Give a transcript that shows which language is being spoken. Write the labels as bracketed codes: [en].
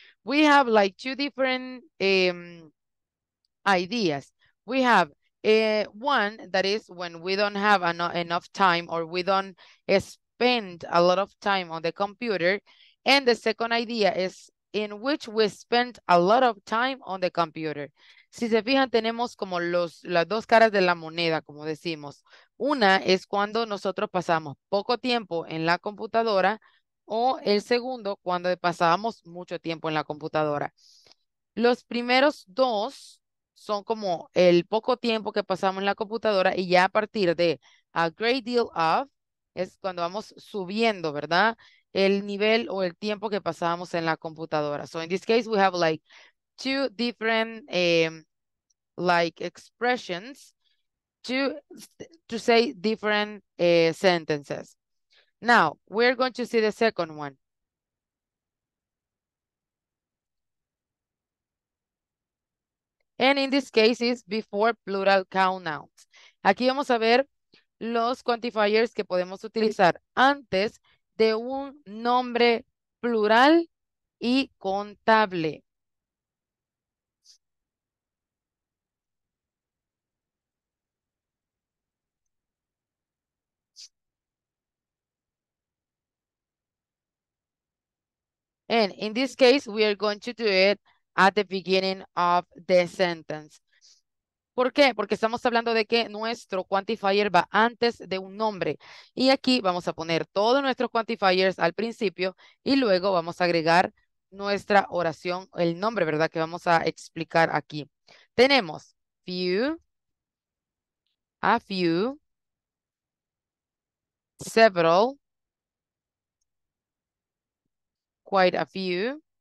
[en] We have like two different ideas. We have one that is when we don't have enough time or we don't spend a lot of time on the computer. And the second idea is in which we spent a lot of time on the computer. [es] Si se fijan, tenemos como las dos caras de la moneda, como decimos. Una es cuando nosotros pasamos poco tiempo en la computadora, o el segundo, cuando pasábamos mucho tiempo en la computadora. Los primeros dos son como el poco tiempo que pasamos en la computadora, y ya a partir de [en] a great deal of, [es] es cuando vamos subiendo, ¿verdad? El nivel o el tiempo que pasábamos en la computadora. [en] So in this case, we have like two different like expressions to say different sentences. Now, we're going to see the second one. And in this case, it's before plural count nouns. [es] Aquí vamos a ver los quantifiers que podemos utilizar antes de un nombre plural y contable. [en] And in this case, we are going to do it at the beginning of the sentence. [es] ¿Por qué? Porque estamos hablando de que nuestro quantifier va antes de un nombre. Y aquí vamos a poner todos nuestros quantifiers al principio y luego vamos a agregar nuestra oración, el nombre, ¿verdad? Que vamos a explicar aquí. Tenemos [en] few, a few, several, quite a few,